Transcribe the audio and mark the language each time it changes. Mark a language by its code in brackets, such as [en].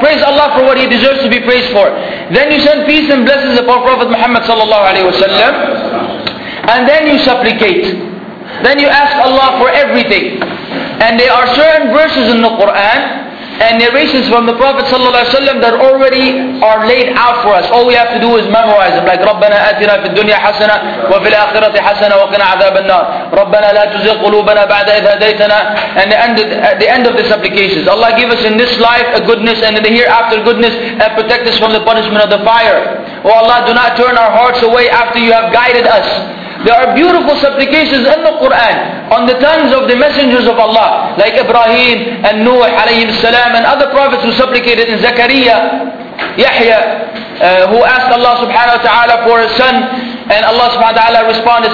[en] Praise Allah for what He deserves to be praised for. Then you send peace and blessings upon Prophet Muhammad sallallahu alaihi wasallam, and then you supplicate. Then you ask Allah for everything. And there are certain verses in the Quran and narrations from the Prophet sallallahu alaihi wasallam that already are laid out for us. [ar] All we have to do is memorize them, like رَبَّنَا أَتِنَا فِي الدُّنْيَا حَسَنَةً وَفِي الْآخِرَةِ حَسَنَةً وَقِنَا عَذَابَ النَّارِ رَبَّنَا لَا تُزِغْ قُلُوبَنَا بَعْدَ إِذْ هَدَيْتَنَا. [en] And the end of the supplications, Allah give us in this life a goodness and in the hereafter goodness, and protect us from the punishment of the fire. Oh Allah, do not turn our hearts away after You have guided us. There are beautiful supplications in the Quran on the tongues of the messengers of Allah, like Ibrahim and Nuh alayhim salam, and other prophets who supplicated, in Zakaria, Yahya, who asked Allah subhanahu wa ta'ala for a son, and Allah subhanahu wa ta'ala responded.